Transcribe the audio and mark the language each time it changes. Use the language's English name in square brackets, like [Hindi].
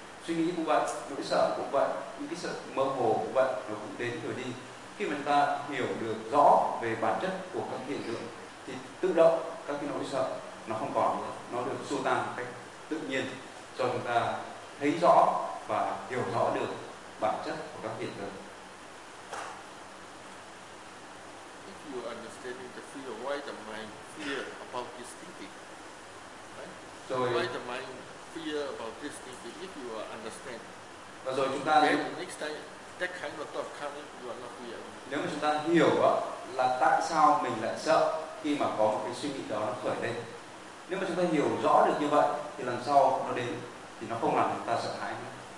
[Vietnamese] Suy nghĩ cũng vậy, nỗi sợ cũng vậy, những cái sự mơ hồ cũng vậy, nó cũng đến rồi đi. Khi mà chúng ta hiểu được rõ về bản chất của các hiện tượng thì tự động các cái nỗi sợ nó không còn nữa, nó được xua tan một cách tự nhiên cho chúng ta thấy rõ và hiểu rõ được bản chất của các hiện tượng. [English] If you understand the fear, why the mind fear about this thinking? Right? [Vietnamese] Rồi, [English] why the mind fear about this thinking if you understand? [Vietnamese] Và rồi chúng ta [English] next time that kind of thought coming, you are not fear. [Vietnamese] Nếu mà chúng ta hiểu đó, là tại sao mình lại sợ khi mà có một cái suy nghĩ đó nó khởi lên. Nếu mà chúng ta hiểu rõ được như vậy thì lần sau nó đến thì nó không làm chúng ta sợ hãi nữa.